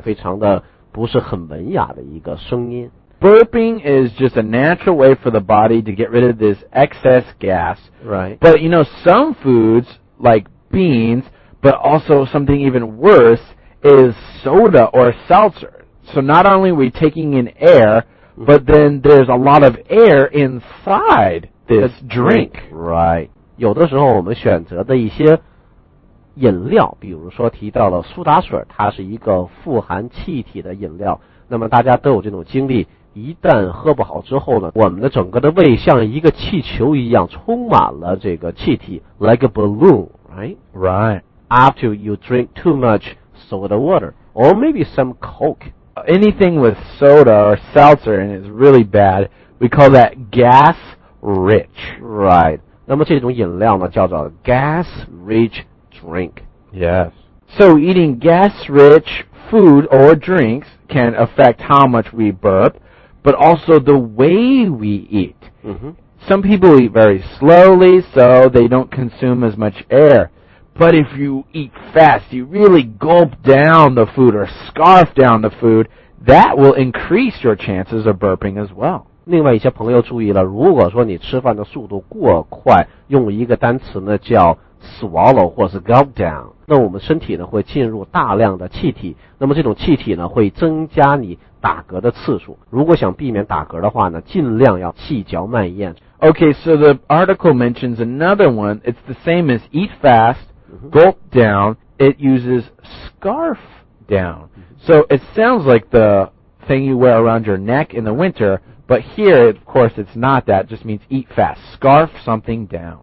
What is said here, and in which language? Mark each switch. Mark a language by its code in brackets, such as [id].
[zh] 非常的不是很文雅的一个声音。 [en] Burping is just a natural way for the body to get rid of this excess gas. Right. But you know, some foods like beans, but also something even worse is soda or seltzer. So not only are we taking in air, but then there's a lot of air inside this drink. Right. [zh] 有的时候我们选择的一些饮料，比如说提到了苏打水，它是一个富含气体的饮料。那么大家都有这种经历。一旦喝不好之后呢，我们的整个的胃像一个气球一样充满了这个气体 ， [en] like a balloon, right? Right. After you drink too much soda water, or maybe some Coke, anything with soda or seltzer and is really bad, we call that gas rich. Right. [zh] 那么这种饮料呢，叫做 gas rich drink. [en] Yes. So eating gas rich food or drinks can affect how much we burp. But also the way we eat.、 Mm-hmm. Some people eat very slowly, so they don't consume as much air. But if you eat fast, you really gulp down the food or scarf down the food, that will increase your chances of burping as well. [zh] 另外一些朋友注意了，如果说你吃饭的速度过快，用一个单词呢叫 swallow 或是 gulp down, 那我们身体呢会进入大量的气体，那么这种气体呢会增加你打嗝的次数，如果想避免打嗝的话呢，尽量要细嚼慢咽。 [en] Okay, so the article mentions another one. It's the same as eat fast, gulp down. It uses scarf down. So it sounds like the thing you wear around your neck in the winter, but here, of course, it's not that. It just means eat fast, scarf something down.